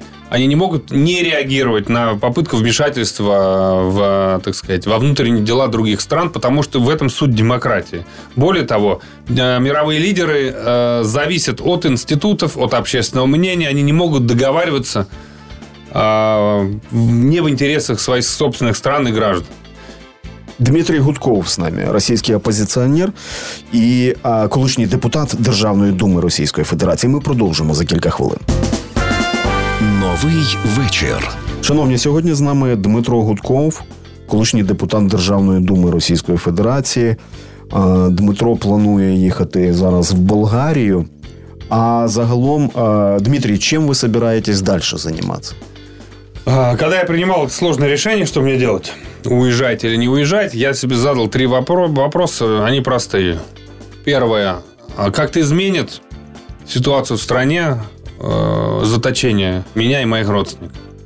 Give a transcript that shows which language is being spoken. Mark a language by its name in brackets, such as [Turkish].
[Russian] Они не могут не реагировать на попытку вмешательства в, так сказать, во внутренние дела других стран, потому что в этом суть демократии. Более того, мировые лидеры зависят от институтов, от общественного мнения. Они не могут договариваться не в интересах своих собственных стран и граждан. [Ukrainian] Дмитрий Гудков [Russian] с нами, [Ukrainian] російський опозиціонер і колишній депутат Державної Думи Російської Федерації. Ми продовжимо за кілька хвилин. Новий вечір. Шановні, сьогодні з нами Дмитро Гудков, колишній депутат Державної Думи Російської Федерації. Дмитро планує їхати зараз в Болгарію. А загалом, Дмитрий, чим ви збираєтесь далі займатися? [Russian] Когда я принимал это сложное решение, что мне делать, уезжать или не уезжать, я себе задал 3 вопроса, они простые. Первое. Как это изменит ситуацию в стране заточение меня и моих родственников?